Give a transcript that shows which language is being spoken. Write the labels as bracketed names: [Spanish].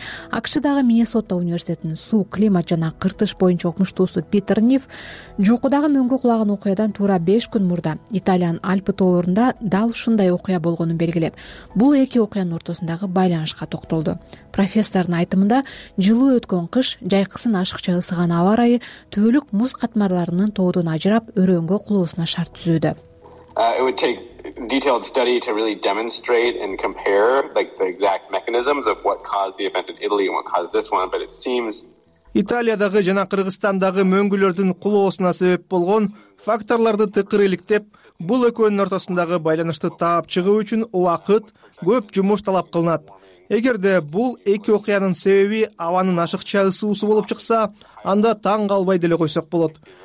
[Kyrgyz] АКШ-дагы Миннесота университетинин суу, климат жана кыртыш боюнча окумуштуусу Питер Ниф жокудагы мөңгү кулаган окуядан туура 5 күн мурда Италиянын Альпы тоолорунда дал ушундай окуя болгонун белгилеп, бул эки окуянын ортосундагы байланышка токтолду. Профессордун айтымында жылуу өткөн кыш, жайкысын ашыкча ысыган аба ырайы түбөлүк муз катмарларынын тоодон ажырап өрөөнгө кулоосуна шарт түзүүдө. [English] It would take detailed study to really demonstrate and compare like the exact mechanisms of what caused the event in Italy and what caused this one, but it seems [Kyrgyz] Италиядагы жана Кыргызстандагы мөңгүлөрдүн кулоосуна себеп болгон факторлорду тыкыр иликтеп, бул экөөнүн ортосундагы байланышты таап чыгуу үчүн убакыт, көп жумуш талап кылынат. Эгерде бул эки окуянын себеби абанын ашыкча ысуусу болуп чыкса, анда таң калбай деле койсок болот.